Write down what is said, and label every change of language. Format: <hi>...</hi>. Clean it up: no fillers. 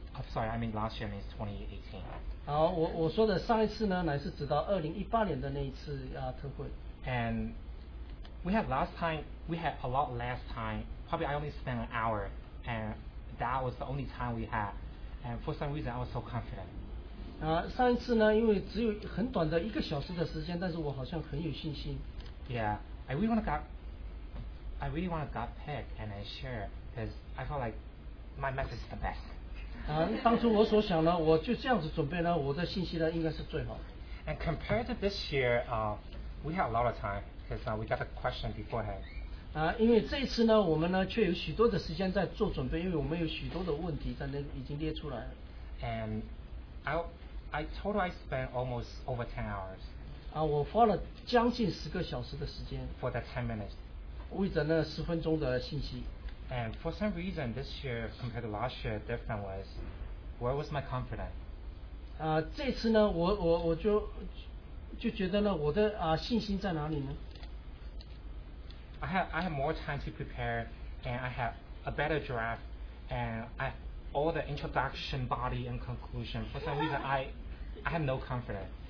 <en>Oh, sorry, I mean last year means 2018.</en> <zh>我说的上一次呢乃是直到2018年的那一次特会。</zh> <en>And we had last time. We had a lot less time. Probably I only spent an hour, and that was the only time we had. And for some reason, I was so confident.</en> <zh>上一次呢，因为只有很短的一个小时的时间，但是我好像很有信心。</zh> <en>Yeah, I really want to get picked and then share because I felt like my message is the best.</en> <zh>当初我所想呢，我就这样子准备呢，我的信息呢应该是最好。</zh> <en>And compared to this year, we had a lot of time because we got a question beforehand.</en> <zh>因为这一次呢我们呢却有许多的时间在做准备因为我们有许多的问题在那已经列出来了</zh> <en>and I told I spent almost over 10 hours</en> <zh>我花了将近十个小时的时间</zh> <en>for that 10 minutes</en> <zh>为了那十分钟的信息</zh> <en>and for some reason this year compared to last year different was where was my confidence</en> <zh>这次呢我就觉得呢我的信心在哪里呢</zh> <en>I have more time to prepare, and I have a better draft, and I all the introduction, body, and conclusion. For some reason, I have no confidence.</en>